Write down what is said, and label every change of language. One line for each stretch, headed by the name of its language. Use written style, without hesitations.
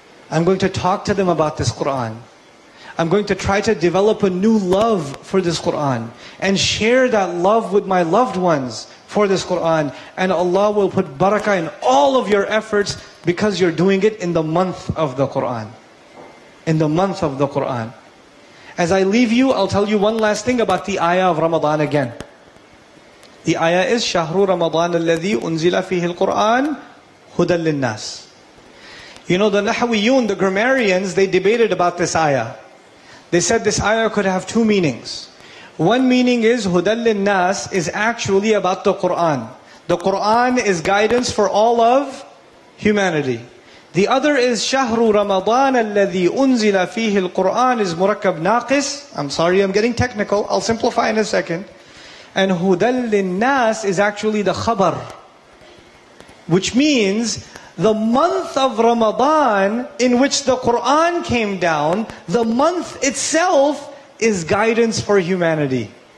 English: I'm going to talk to them about this Quran. I'm going to try to develop a new love for this Quran and share that love with my loved ones for this Quran, and Allah will put barakah in all of your efforts because you're doing it in the month of the Quran. In the month of the Quran. As I leave you, I'll tell you one last thing about the ayah of Ramadan again. The ayah is
Arabic: شهر رمضان الذي أنزل فيه القرآن هدى للناس.
English: You know, the Nahawiyun, the grammarians, they debated about this ayah. They said this ayah could have two meanings. One meaning is
Arabic: هُدَى لِلنَّاسِ
English: is actually about the Qur'an. The Qur'an is guidance for all of humanity. The other is
Arabic: شَهْرُ رَمَضَانَ الَّذِي أُنزِلَ فِيهِ الْقُرْآنِ
English: is
Arabic: مُرَكَّبْ نَاقِسِ.
English: I'm sorry, I'm getting technical. I'll simplify in a second. And
Arabic: هُدَى لِلنَّاسِ
English: is actually the khabar, which means the month of Ramadan in which the Qur'an came down, the month itself is guidance for humanity.